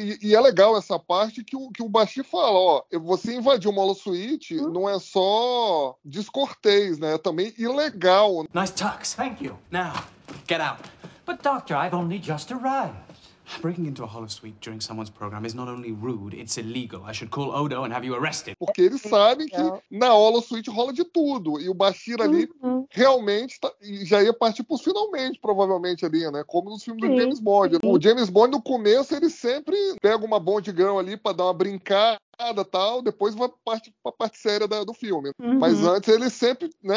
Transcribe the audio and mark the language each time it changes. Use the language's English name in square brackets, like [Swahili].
[Portuguese] E é legal essa parte que o Bashir fala, ó, você invadiu uma suíte, não é só descortês, né? É também ilegal. [English] Nice tux. Thank you. Now, get out. But doctor, I've only just arrived. Breaking into a holosuite during someone's program is not only rude, it's illegal. I should call Odo and have you arrested. [Portuguese] Porque eles sabem que na holosuite rola de tudo. E o Bashir ali realmente tá, já ia partir pro finalmente, provavelmente, ali, né? Como nos filmes do James Bond. Sim. O James Bond, no começo, ele sempre pega uma bondigão ali pra dar uma brincada. Tal, depois vai parte pra parte séria do filme. Mas antes ele sempre, né?